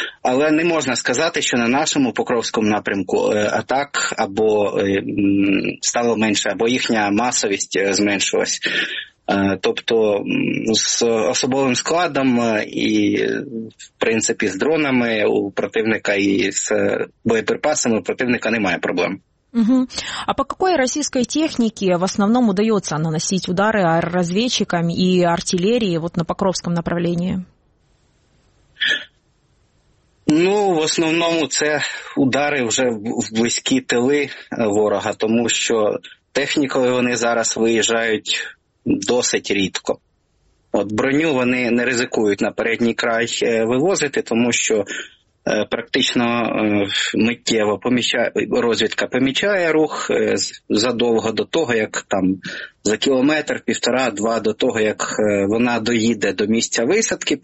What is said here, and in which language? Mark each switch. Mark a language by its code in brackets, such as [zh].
[uk] Але не можна сказати, що на нашому Покровському напрямку атак або стало менше, або їхня масовість зменшилась. Тобто з особовим складом і, в принципі, з дронами у противника і з боєприпасами у противника немає проблем. Угу. [ru] А по какой российской технике в основном удается наносить удары разведчикам и артиллерии вот на Покровском направлении? Ну, в основном это удары уже [uk] в близькі тили ворога, тому що технікою вони зараз виїжджають досить рідко. От броню вони не ризикують на передній край вивозити, тому що практично миттєво розвідка помічає рух задовго до того, як там за кілометр, півтора-два до того, як вона доїде до місця висадки.